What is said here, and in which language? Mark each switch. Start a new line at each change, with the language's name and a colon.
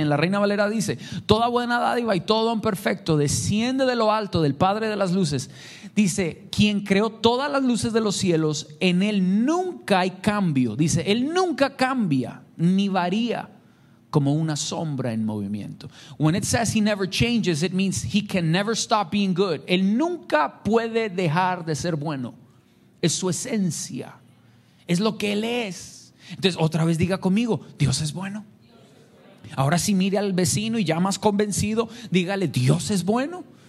Spanish: En la Reina Valera dice: toda buena dádiva y todo don perfecto desciende de lo alto, del Padre de las luces. Dice: quien creó todas las luces de los cielos, en Él nunca hay cambio. Dice: Él nunca cambia ni varía como una sombra en movimiento.
English: When it says He never changes, it means He can never stop being good.
Spanish: Él nunca puede dejar de ser bueno. Es su esencia. Es lo que Él es. Entonces, otra vez diga conmigo: Dios es bueno. Ahora sí, mire al vecino y ya más convencido, dígale: Dios es bueno.